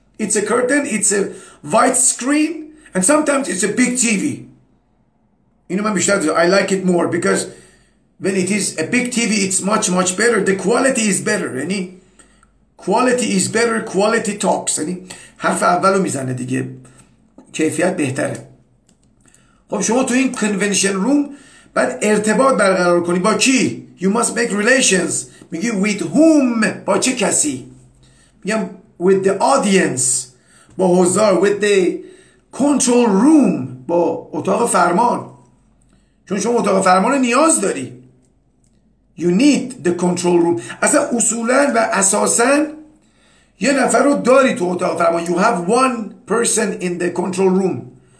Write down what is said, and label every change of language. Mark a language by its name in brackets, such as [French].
[English] It's a curtain, it's a white screen, and sometimes it's a big TV. [Persian] اینو من بیشتر دوست دارم. [English] I like it more because when it is a big TV, it's much much better. The quality is better. یعنی quality is better. Quality talks. [Persian] یعنی حرف اولو میزنه دیگه. کیفیت بهتره. خب شما تو این convention room بعد ارتباط برقرار کنی با کی؟ [English] You must make relations. [Persian] میگی [English] with whom؟ [Persian] با چه کسی؟ میگم [English] with the audience، [Persian] با حضار، [English] with the control room، [Persian] با اتاق فرمان، چون شما اتاق فرمان نیاز داری. [English] You need the control room. [Persian] اصلا اصولا و اساسا یه نفر رو داری تو اتاق فرمان. [English] You have one person in the control room.